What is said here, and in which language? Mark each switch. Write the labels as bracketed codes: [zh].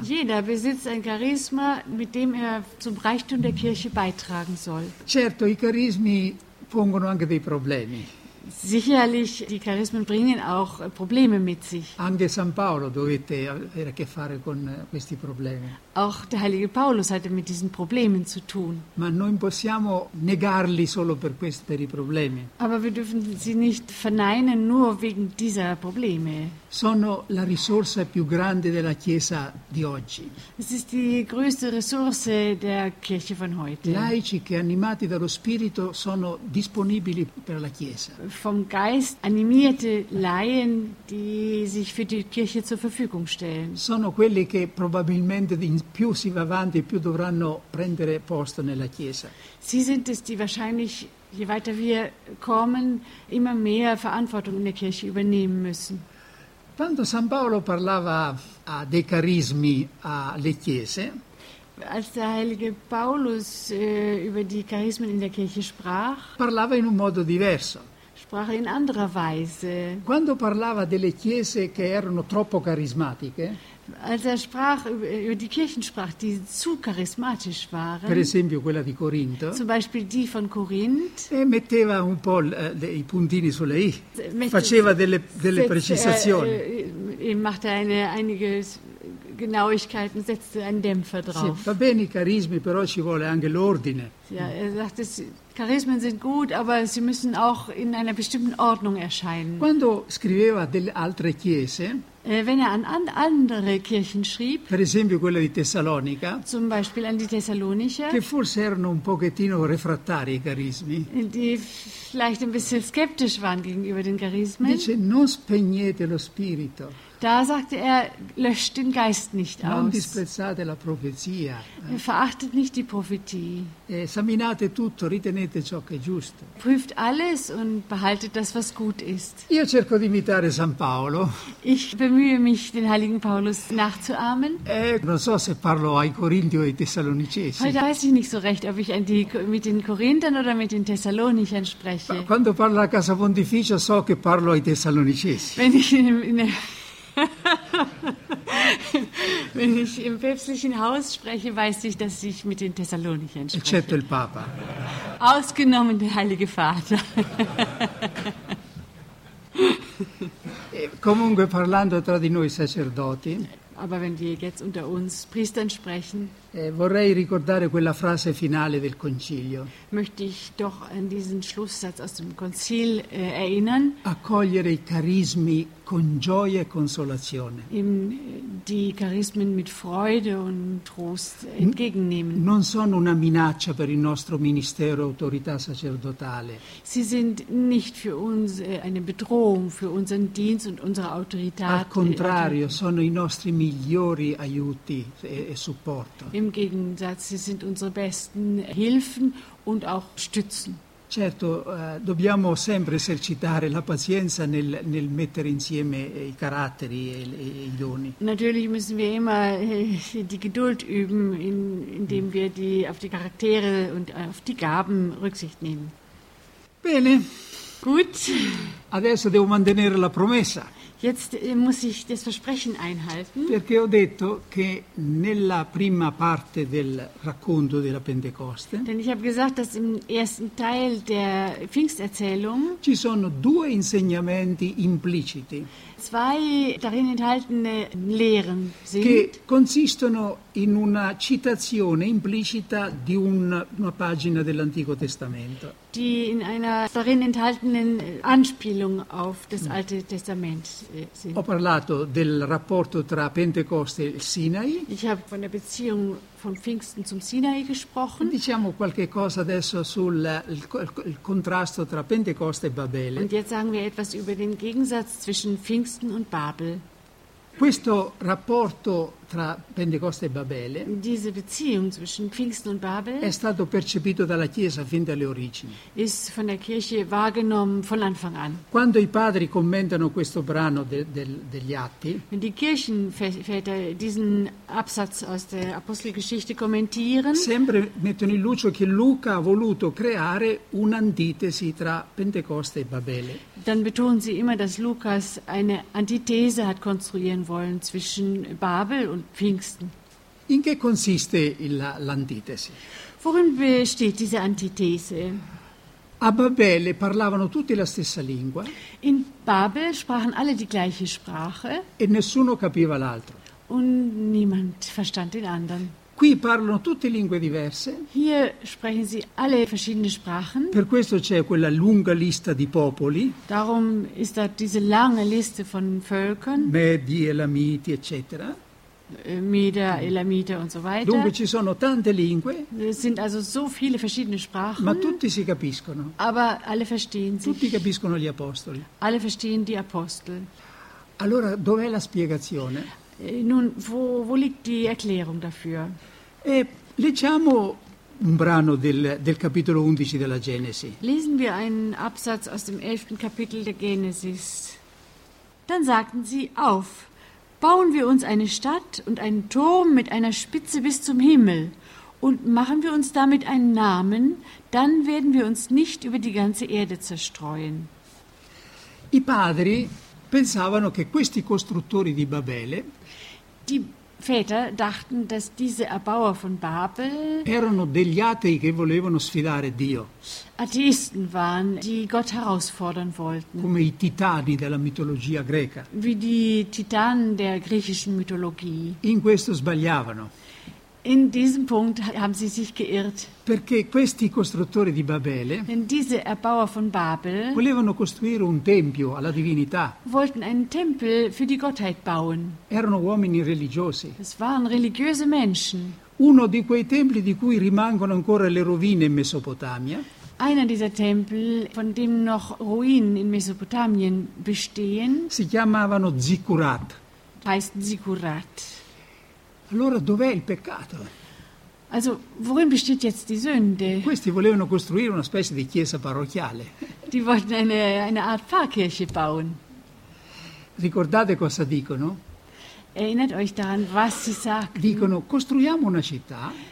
[de] Jeder besitzt ein Charisma, mit dem er zum Reichtum der Kirche beitragen soll. [it] Certo, i carismi pongono anche dei problemi. [de] Sicherlich, die Charismen bringen auch Probleme mit sich. [it] Anche San Paolo dovette avere a che fare con questi problemi. [de] Auch der heilige Paulus hatte mit diesen Problemen zu tun. [it] Ma non possiamo negarli solo per i problemi. [de] Aber wir dürfen sie nicht verneinen nur wegen dieser Probleme. [it] Sono la risorsa più grande della Chiesa di oggi. [de] Es ist die größte Ressource der Kirche von heute. [it] Laici che animati dallo Spirito sono disponibili per la Chiesa. [de] Vom Geist animierte Laien, die sich für die Kirche zur Verfügung stellen. [it] Sono quelli che probabilmente in più si va avanti più dovranno prendere posto nella Chiesa. [de] Sie sind es, die wahrscheinlich, je weiter wir kommen, immer mehr Verantwortung in der Kirche übernehmen müssen. [it] Quando San Paolo parlava dei carismi alle chiese, [de] als der heilige Paulus über die Charismen in der Kirche sprach, [it] parlava in un modo diverso. [de] Sprach in anderer Weise. [it] Quando parlava delle chiese che erano troppo carismatiche, [de] als er sprach über die Kirchen sprach, die zu charismatisch waren, [it] per esempio quella di Corinto, [de] zum Beispiel die von Korinth, [it] e metteva un po' i puntini sulle i, faceva delle precisazioni. [de] Machte einige Genauigkeiten, setzte einen Dämpfer drauf. [it] Sì, va bene i carismi, però ci vuole anche l'ordine. [de] Ja, er sagte, Charismen sind gut, aber sie müssen auch in einer bestimmten Ordnung erscheinen. [it] Quando scriveva delle altre chiese, [de] wenn er an andere Kirchen schrieb, [it] per esempio quella di Tessalonica, [de] zum Beispiel an die Thessalonicher, [it] che forse erano un pochettino refrattari ai carismi, [de] die vielleicht ein bisschen skeptisch waren gegenüber den Charismen, [it] dice, non spegnete lo spirito. [de] Da sagte er, löscht den Geist nicht aus. [it] Non disprezzate la profezia. [de] Verachtet nicht die Prophetie. [it] Esaminate tutto, ritenete ciò che è giusto. [de] Prüft alles und behaltet das, was gut ist. [it] Io cerco di imitare San Paolo. [de] Ich bemühe mich, den heiligen Paulus nachzuahmen. [it] Non so se parlo ai Corinti o ai Tessalonicesi. [de] Heute weiß ich nicht so recht, ob ich mit den Korinthern oder mit den Thessalonichern spreche. [it] Ma quando parlo a Casa Pontificia so che parlo ai Tessalonicesi. [de] Wenn ich wenn ich im päpstlichen Haus spreche, weiß ich, dass ich mit den Thessalonichern spreche. [it] Eccetto il Papa. [de] Ausgenommen der Heilige Vater. [it] Comunque parlando tra di noi sacerdoti. [de] Aber wenn wir jetzt unter uns Priestern sprechen, [it] vorrei ricordare quella frase finale del Concilio. [de] Möchte ich doch an diesen Schlusssatz aus dem Konzil erinnern. [it] Accogliere i carismi con gioia e consolazione. [de] Die Charismen mit Freude und Trost entgegennehmen. [it] Non sono una minaccia per il nostro ministero autorità sacerdotale. [de] Sie sind nicht für uns eine Bedrohung für unseren Dienst und unsere Autorità. [it] Al contrario, sono i nostri migliori aiuti e supporto. [de] Im Gegensatz, sie sind unsere besten Hilfen und auch Stützen. [it] Certo, dobbiamo sempre esercitare la pazienza nel mettere insieme i caratteri e i doni. [de] Natürlich müssen wir immer die Geduld üben, indem wir auf die Charaktere und auf die Gaben Rücksicht nehmen. [it] Bene. [de] Gut. [it] Adesso devo mantenere la promessa. [de] Jetzt muss ich das Versprechen einhalten. [it] Perché ho detto che nella prima parte del racconto della Pentecoste. [de] Denn ich habe gesagt, dass im ersten Teil der Pfingsterzählung [it] ci sono due insegnamenti impliciti. [de] Zwei darin enthaltene Lehren sind. [it] Che consistono in una citazione implicita di una pagina dell'Antico Testamento. [de] Die in einer darin enthaltenen Anspielung auf das Alte Testament [it] sì. Ho parlato del rapporto tra Pentecoste e Sinai. [de] Ich habe von der Beziehung von Pfingsten zum Sinai gesprochen. [it] Diciamo qualche cosa adesso sul il contrasto tra Pentecoste e Babele. [de] Und jetzt sagen wir etwas über den Gegensatz zwischen Pfingsten und Babel. [it] Questo rapporto tra Pentecoste e Babele, [de] diese Beziehung zwischen Pfingsten und Babel, [it] è stato percepito dalla Chiesa fin dalle origini. [de] Ist von der Kirche wahrgenommen von Anfang an. [it] Quando i padri commentano questo brano degli Atti, [de] wenn die Kirchenväter diesen Absatz aus der Apostelgeschichte kommentieren, [it] sempre mettono in luce che Luca ha voluto creare un'antitesi tra Pentecoste e Babele. [de] Dann betonen sie immer, dass Lukas eine Antithese hat konstruieren wollen zwischen Babel und Pfingsten. [it] In che consiste l'antitesi? [de] Worin besteht diese Antithese? [it] A Babele parlavano tutti la stessa lingua. [de] In Babel sprachen alle die gleiche Sprache. [it] E nessuno capiva l'altro. [de] Und niemand verstand den anderen. [it] Qui parlano tutte lingue diverse. [de] Hier sprechen sie alle verschiedene Sprachen. [it] Per questo c'è quella lunga lista di popoli. [de] Darum ist da diese lange Liste von Völkern. [it] Medi, Elamiti, eccetera. [de] Meder, Elamiter und so weiter. [it] Dunque ci sono tante lingue. [de] Es sind also so viele verschiedene Sprachen. [it] Ma tutti si capiscono. [de] Aber alle verstehen sich. [it] Tutti capiscono gli apostoli. [de] Alle verstehen die Apostel. [it] Allora, dov'è la spiegazione? [de] Nun, wo liegt die Erklärung dafür? [it] Leggiamo un brano del capitolo 11 della Genesi. [de] Lesen wir einen Absatz aus dem 11. Kapitel der Genesis. Dann sagten sie auf. Bauen wir uns eine Stadt und einen Turm mit einer Spitze bis zum Himmel und machen wir uns damit einen Namen, dann werden wir uns nicht über die ganze Erde zerstreuen. [it] I padri pensavano che questi costruttori di Babele, [de] die Väter dachten, dass diese Erbauer von Babel, [it] erano degli atei che volevano sfidare Dio, [de] Atheisten waren, die Gott herausfordern wollten, [it] come i titani della mitologia greca, [de] wie die Titanen der griechischen Mythologie. [it] In questo sbagliavano. [de] In diesem Punkt haben sie sich geirrt. [it] Perché questi costruttori di Babele, [de] denn diese Erbauer von Babel, [it] volevano costruire un tempio alla divinità. [de] Wollten einen Tempel für die Gottheit bauen. [it] Erano uomini religiosi. [de] Es waren religiöse Menschen. [it] Uno di quei templi di cui rimangono ancora le rovine in Mesopotamia. [de] Einer dieser Tempel, von dem noch Ruinen in Mesopotamien bestehen, [it] si chiamavano Zikkurat. [de] Heißt Zikkurat. [it] Allora dov'è il peccato? [de] Also, worin besteht jetzt die Sünde? [it] Questi volevano costruire una specie di chiesa parrocchiale. [de] Die wollten eine Art Pfarrkirche bauen. [it] Ricordate cosa dicono? [de] Erinnert euch daran, was sie sagten. [it] Dicono, costruiamo una città.